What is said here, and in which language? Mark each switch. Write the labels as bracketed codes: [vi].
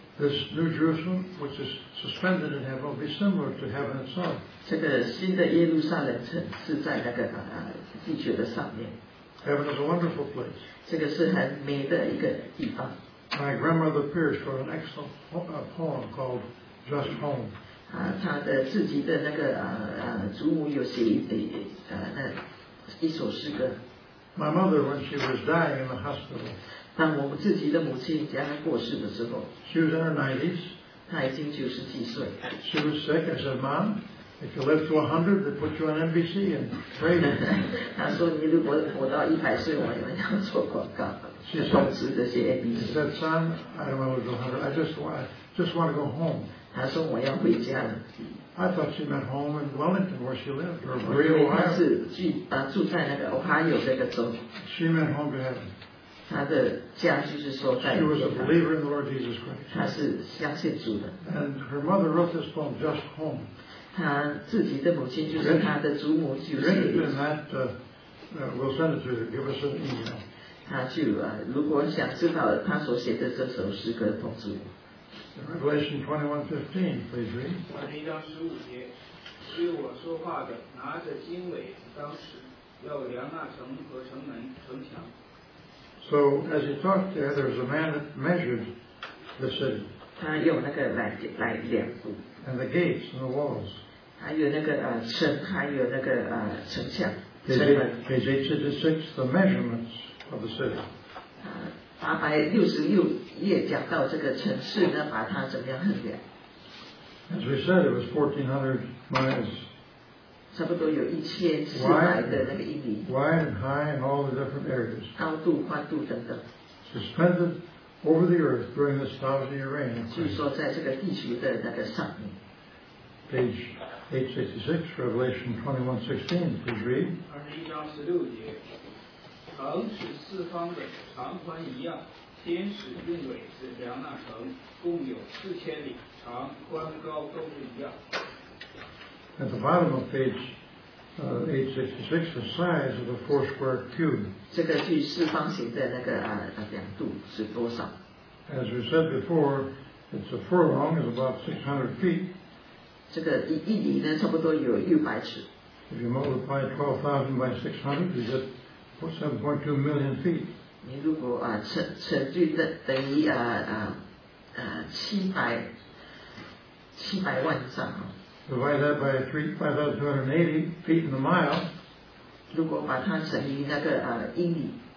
[en] This new Jerusalem, which is suspended in heaven, will be similar to heaven itself. [zh] 这个新的耶路撒冷城是在那个地球的上面。 [en] Heaven is a wonderful place. [zh] 这个是很美的一个地方。 [en] My grandmother Pierce wrote an excellent poem called Just Home. [zh] 她的自己的那个祖母有写一首诗歌。 [en] My mother, when she was dying in the hospital, [zh] 当我们自己的母亲将她过世的时候， [en] she was in her 90s. [zh] 她已经九十几岁。 [en] She was sick. I said, Mom, if you live to 100, they put you on NBC and pray. [zh] 她说你如果活到一百岁，我们要做广告。 [en] She said, [zh] 投资这些 NBC. [en] She said, Son, I don't want to go 100. I just want to go home. [zh] 她说我要回家。 [en] I thought she meant home in Wellington where she lived, or Berea, Ohio. [zh] 她是住在那个 Ohio 这个州。 [en] She meant home to heaven. [zh] 她的家就是说在。 [en] She was a believer in the Lord Jesus Christ. [zh] 她是相信主的。 [en] And her mother wrote this poem, Just Home. [zh] 她自己的母亲就是她的祖母就是。 [en] We'll send it to her. Give us an email. [zh] 她就如果想知道她所写的这首诗歌，通知我。 [en] Revelation 21:15, please read. [zh] 一章十五节，对我说话的，拿着经纬，当时要量那城和城门、城墙。 [en] So as he talked there, there was a man that measured the city. [zh] 他用那个来量度。 [en] And the gates and the walls. [zh] 还有那个城，还有那个城墙。 [en] Page 866, the measurements of the city. [zh] 866页讲到这个城市呢，把它怎么样衡量 [en] ？As we said, it was 1,400 miles. [zh] 差不多有1400的那个英里。 [en] Wide and high in all the different areas. [zh] 高度、宽度等等。 [en] Suspended over the earth during this 1,000-year reign. [zh] 据说在这个地球的那个上面。 [en] Page 866, Revelation 21:16, please read. [zh] 21:16节，城是四方的，长宽一样。天使用纬子量那城，共有四千里，长宽高都是一样。 [en] At the bottom of page 866, the size of the four square cube. [zh] 这个距四方形的那个量度是多少 [en] ？As we said before, it's a furlong, is about 600 feet. [zh] 这个一里呢差不多有600尺。 [en] If you multiply 12,000 by 600, you get 7.2 million feet. [zh] 你如果啊乘以等于700万丈。 [en] Divide that by 3,280 feet in the mile. [zh] 如果把它乘以那个英里。